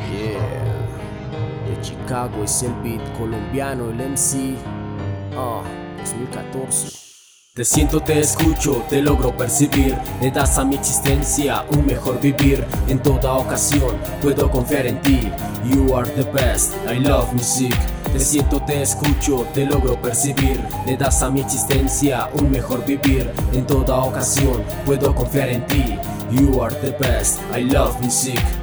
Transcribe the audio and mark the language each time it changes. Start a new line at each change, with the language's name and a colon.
Spanish: yeah. De Chicago es el beat colombiano, el MC. 2014. Te siento, te escucho, te logro percibir. Le das a mi existencia un mejor vivir. En toda ocasión puedo confiar en ti.
English: You are the best, I love music.
Spanish: Te siento, te escucho, te logro percibir. Le das a mi existencia un mejor vivir. En toda ocasión puedo confiar en ti.
English: You are the best, I love music.